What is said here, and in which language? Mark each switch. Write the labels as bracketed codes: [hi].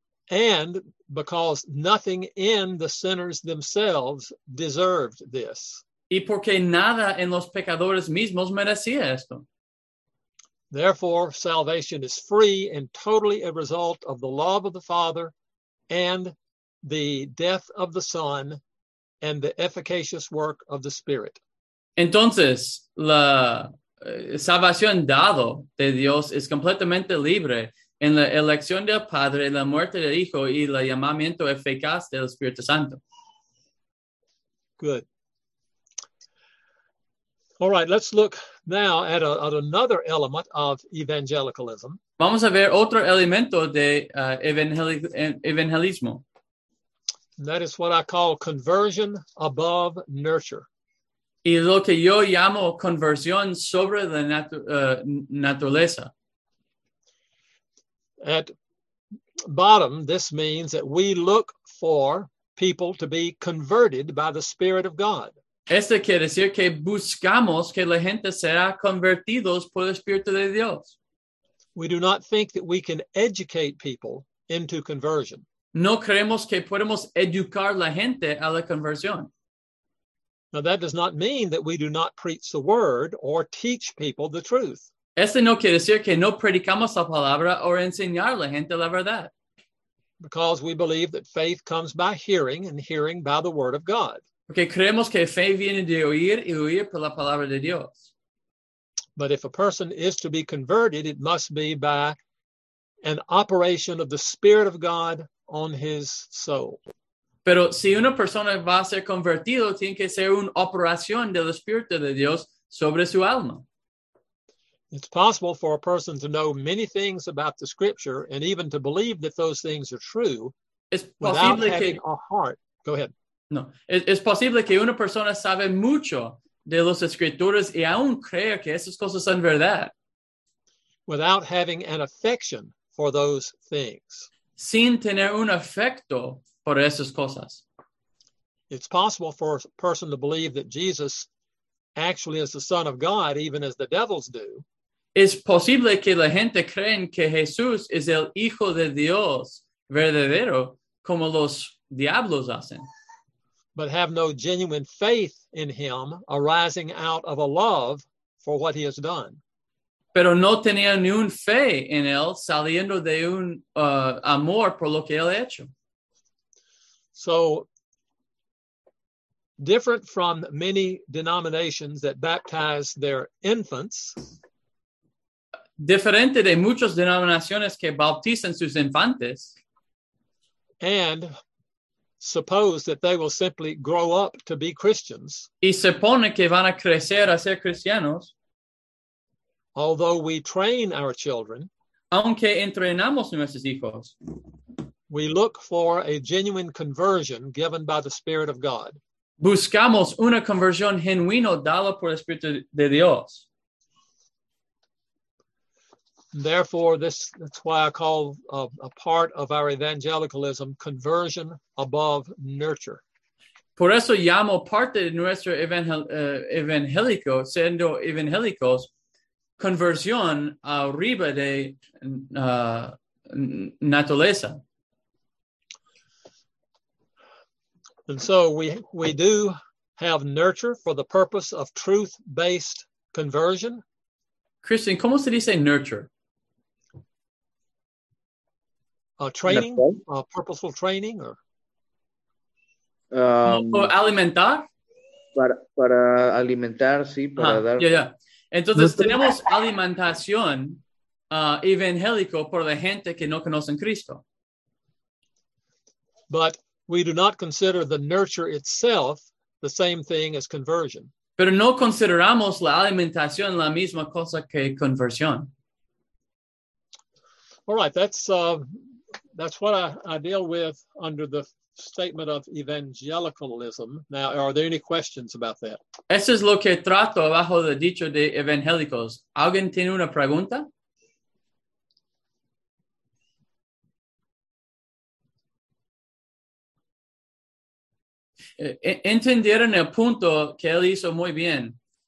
[en] And because nothing in the sinners themselves deserved this. [es] Y porque nada en los pecadores mismos merecía esto. [en] Therefore, salvation is free and totally a result of the love of the Father and the death of the Son and the efficacious work of the Spirit. [es] Entonces, la salvación dado de Dios es completamente libre en la elección del Padre, la muerte del Hijo y el llamamiento eficaz del Espíritu Santo. [en] Good. All right, let's look now at another element of evangelicalism. [es] Vamos a ver otro elemento de evangelismo. [en] That is what I call conversion above nurture. [es] Y lo que yo llamo conversión sobre la naturaleza. [en] At bottom, this means that we look for people to be converted by the Spirit of God. [es] Esto quiere decir que buscamos que la gente sea convertidos por el Espíritu de Dios. [en] We do not think that we can educate people into conversion. [es] No creemos que podemos educar la gente a la conversión. [en] Now that does not mean that we do not preach the word or teach people the truth. [es] Este no quiere decir que no predicamos la palabra o enseñar a la gente la verdad. [en] Because we believe that faith comes by hearing and hearing by the word of God. [es] Porque creemos que fe viene de oír y oír por la palabra de Dios. [en] But if a person is to be converted, it must be by an operation of the Spirit of God on his soul. [es] Pero si una persona va a ser convertido, tiene que ser una operación del Espíritu de Dios sobre su alma. [en] It's possible for a person to know many things about the Scripture and even to believe that those things are true without having a heart. Go ahead. [es] No, es posible que una persona sabe mucho de los escrituras y aún crea que esas cosas son verdad. [en] Without having an affection for those things. [es] Sin tener un afecto por esas cosas. [en] It's possible for a person to believe that Jesus actually is the Son of God, even as the devils do. [es] Es posible que la gente creen que Jesús es el Hijo de Dios verdadero, como los diablos hacen. [en] But have no genuine faith in him arising out of a love for what he has done. [es] Pero no tenía ni un fe en él saliendo de un amor por lo que él ha hecho. [en] So, different from many denominations that baptize their infants. [es] Diferente de muchas denominaciones que bautizan sus infantes. [en] And suppose that they will simply grow up to be Christians. [es] Y se pone que van a crecer a ser cristianos. [en] Although we train our children, [es] aunque entrenamos nuestros hijos, [en] we look for a genuine conversion given by the Spirit of God. [es] Buscamos una conversión genuina dada por el Espíritu de Dios. [en] Therefore, that's why I call a part of our evangelicalism conversion above nurture. [es] Por eso llamo parte de nuestro evangelico, siendo evangelicos, conversión arriba de naturaleza. [en] And so we do have nurture for the purpose of truth-based conversion. [es] Christian, ¿cómo se dice nurture? [en] Training, purposeful training, or [es] alimentar para alimentar, sí, para dar. Entonces tenemos alimentación evangélico por la gente que no conocen Cristo. [en] But we do not consider the nurture itself the same thing as conversion. [es] Pero no consideramos la alimentación la misma cosa que conversión. [en] All right, that's what I deal with under the statement of evangelicalism. Now, are there any questions about that? [es] Eso es lo que trato bajo el dicho de evangélicos. ¿Alguien tiene una pregunta? Entendieron el punto que él hizo muy bien.